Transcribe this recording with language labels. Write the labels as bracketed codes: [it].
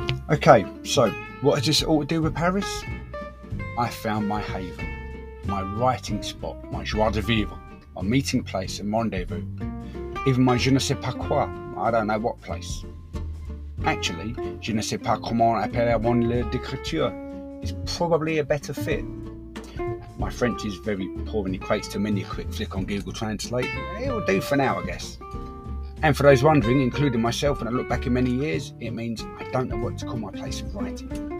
[en] Okay, so what has this all to do with Paris? I found my haven, my writing spot, my joie de vivre, my meeting place and rendezvous. Even my [fr] je ne sais pas quoi, [en] I don't know what place. Actually, [fr] je ne sais pas comment appeler mon lieu d'écriture [en] is probably a better fit. My French is very poor and equates to many a quick flick on Google Translate. It'll do for now, I guess. And for those wondering, including myself, when I look back in many years, it means I don't know what to call my place of writing.